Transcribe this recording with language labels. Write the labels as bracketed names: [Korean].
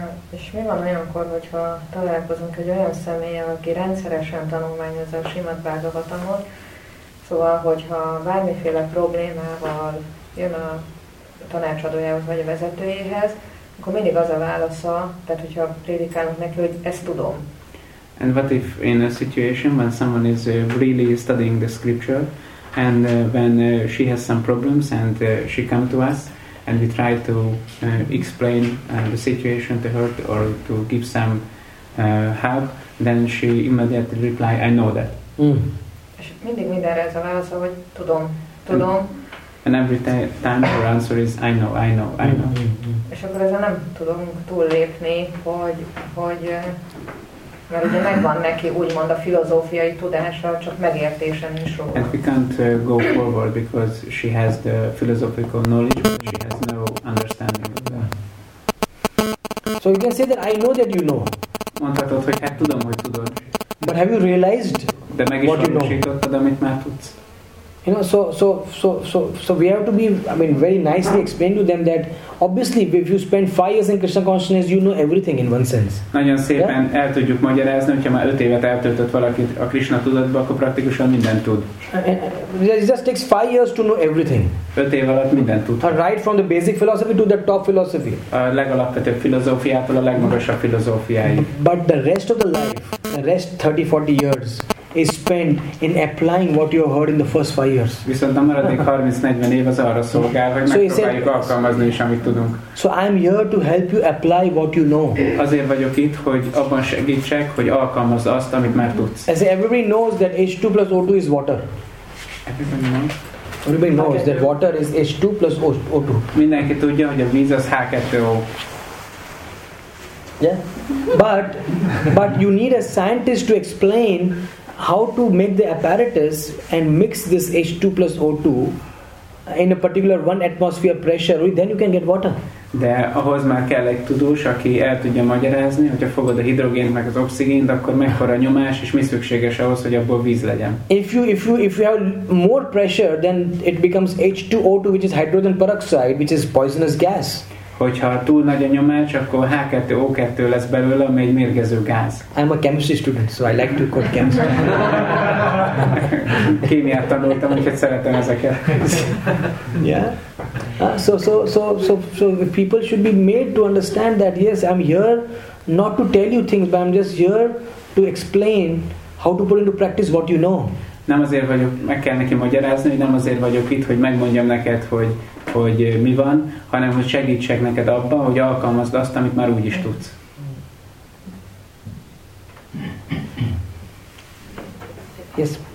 [Hungarian] És mi van olyankor, hogyha találkozunk egy olyan személlyel, aki rendszeresen tanulmányozza a Srimad Bhagavatamot, szóval, hogyha bármiféle problémával jön a tanácsadójához vagy a vezetőjéhez, akkor mindig az a válasza, tehát hogyha prédikálunk neki, hogy ezt tudom. [English] And what if in a situation when someone is really studying the scripture and when she has some problems and she comes to us and we try to explain the situation to her or to give some help, then she immediately reply, I know that. [Hungarian] És mindig mindenre ez a válasz, hogy tudom, tudom. [English] And every time her answer is, I know, I know, I know. [Hungarian] És akkor ezzel nem tudunk túllépni, hogy mert ugye megvan neki úgymond a filozófiai tudása, csak megértése nincs róla. [English] And we can't go forward because she has the philosophical knowledge, but she has no understanding of that. So you can say that I know that you know. [Hungarian] Mondhatod, hogy hát tudom, hogy tudod. [English] But have you realized [Hungarian] de meg is [English] what you know? [Hungarian] Amit már tudsz. [English] You know, so we have to be, I mean, very nicely explain to them that obviously, if you spend 5 years in Krishna consciousness, you know everything in one sense. [Hungarian] Nagyon szépen [English] yeah? [Hungarian] El tudjuk magyarázni, hogyha már 5 évet eltöltött valakit a Krishna tudatba, akkor praktikusan mindent tud. [English] And it just takes 5 years to know everything. [Hungarian] 5 év alatt mindent tud. [English] Right from the basic philosophy to the top philosophy. [Hungarian] A legalapvetőbb filozófiától a legmagasabb filozófiáig. [English] But the rest of the life, the rest 30-40 years, is spent in applying what you have heard in the first 5 years. [Hungarian] Viszont a maradék 30-40 év az arra szolgál, hogy megpróbáljuk alkalmazni is, amit tudunk. [English] So I'm here to help you apply what you know. [Hungarian] Azért vagyok itt, hogy abban segítsek, hogy alkalmazd azt, amit már tudsz. [English] As everybody knows that H2 plus O2 is water. Everybody knows that water is H2 plus O2. [Hungarian] Mindenki tudja, hogy a víz az H2O. [English] Yeah? But you need a scientist to explain how to make the apparatus and mix this H2 plus O2 in a particular one atmosphere pressure, then you can get water. [Hungarian] De ahhoz már kell egy tudós, aki el tudja magyarázni, hogyha fogod a hidrogént meg az oxigént, akkor mekkora a nyomás, és mi szükséges ahhoz, hogy abból víz legyen. [English] If you have more pressure, then it becomes H2O2, which is hydrogen peroxide, which is poisonous gas. [Hungarian] Hogyha túl nagy a nyomás, akkor H2O2 lesz belőle, ami egy mérgező gáz. [English] I'm a chemistry student, so I like to code chemistry. [Hungarian] Kémiát tanultam, úgyhogy szeretem ezeket. [English] Yeah. So people should be made to understand that yes, I'm here not to tell you things, but I'm just here to explain how to put into practice what you know. [Hungarian] Nem azért vagyok, meg kell neki magyarázni, hogy nem azért vagyok itt, hogy megmondjam neked, hogy mi van, hanem hogy segítsek neked abban, hogy alkalmazd azt, amit már úgy is tudsz. [English] Yes.